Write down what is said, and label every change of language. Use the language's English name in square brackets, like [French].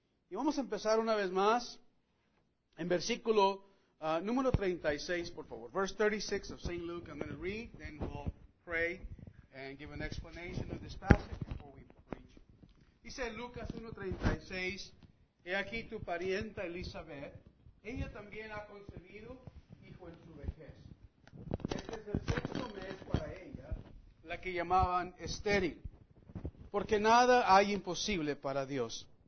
[Spanish] Y vamos a empezar una vez más en versículo número 36, por favor. [English] Verse 36 of St. Luke, I'm going to read, then we'll pray and give an explanation of this passage before we preach. [Spanish] Dice Lucas 1:36, he aquí tu parienta Elizabeth, ella también ha concebido hijo en su vejez. Este es el sexto mes para ella, la que llamaban estéril, porque nada hay imposible para Dios.